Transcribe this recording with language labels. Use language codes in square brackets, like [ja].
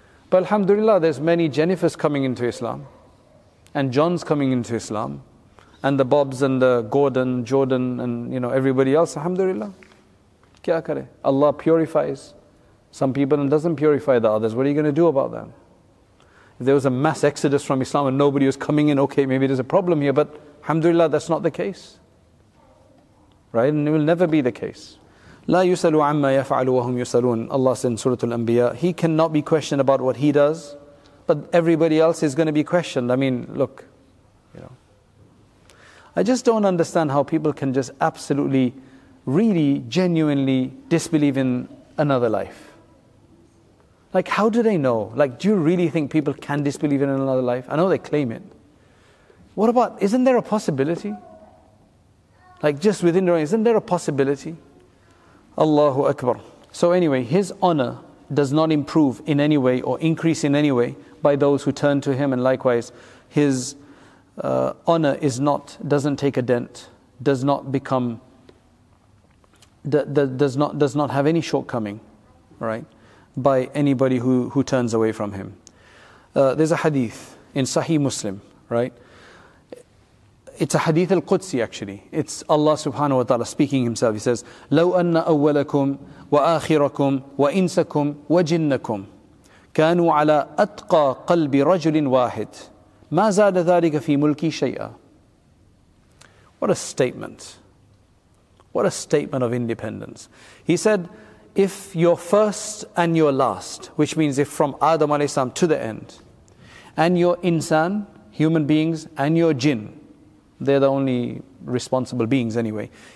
[en] But alhamdulillah, there's many Jennifers coming into Islam, and Johns coming into Islam, and the Bobs and the Gordon, Jordan, and you know everybody else. Alhamdulillah. [hi] Kya kare? [en] Allah purifies some people and doesn't purify the others. What are you going to do about that? If there was a mass exodus from Islam and nobody was coming in, okay, maybe there's a problem here. But alhamdulillah, that's not the case. Right, and it will never be the case. [ar] لا يسألوا عما يفعلوا وهم يسألون. [en] Allah said in Surah Al-Anbiya, He cannot be questioned about what He does, but everybody else is going to be questioned. I mean, look, you know, I just don't understand how people can just absolutely, really, genuinely disbelieve in another life. Like, how do they know? Like, do you really think people can disbelieve in another life? I know they claim it. What about, isn't there a possibility? Like, just within their own, isn't there a possibility? Allahu Akbar. So anyway, His honor does not improve in any way or increase in any way by those who turn to Him, and likewise, His honor is not, doesn't take a dent, does not become, does not have any shortcoming, right, by anybody who turns away from Him. There's a hadith in Sahih Muslim, right? It's a hadith al-Qudsi actually. It's Allah subhanahu wa ta'ala speaking Himself. He says, [ar] لَوْ أَنَّ أَوَّلَكُمْ وَآخِرَكُمْ وَإِنْسَكُمْ وَجِنَّكُمْ كَانُوا عَلَىٰ أَتْقَى قَلْبِ رَجُلٍ وَاحِدٍ مَا زَادَ ذَلِكَ فِي مُلْكِي شَيْئًا. [en] What a statement. What a statement of independence. He said, if your first and your last, which means if from Adam alayhi salam to the end, and your insan, human beings, and your jinn, they're the only responsible beings anyway.